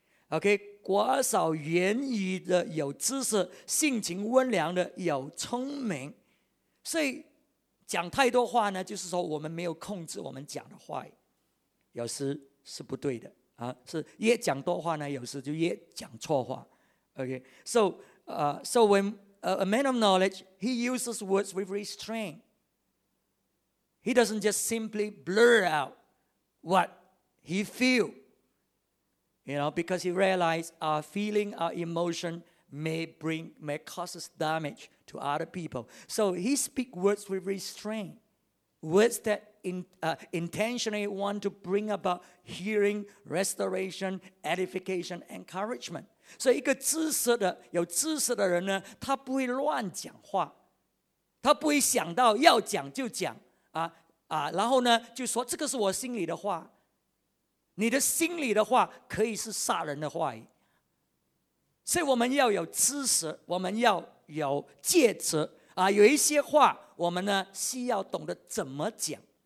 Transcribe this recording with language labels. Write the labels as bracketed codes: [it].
[zh] OK， 果少言语的有知识，性情温良的有聪明，所以讲太多话呢，就是说我们没有控制我们讲的话语。有时是不对的啊，是越讲多话呢，有时就越讲错话。 [en] Okay, so so when a man of knowledge, he uses words with restraint. He doesn't just simply blur out what he feel. You know, because he realized our feeling, our emotion may cause us damage to other people. So he speak words with restraint. Words that intentionally want to bring about hearing, restoration, edification, encouragement. [zh] So 一个知识的有知识的人呢，他不会乱讲话，他不会想到要讲就讲啊，然后呢就说这个是我心里的话，你的心里的话可以是杀人的话语。所以我们要有知识，我们要有戒指啊，有一些话我们呢需要懂得怎么讲。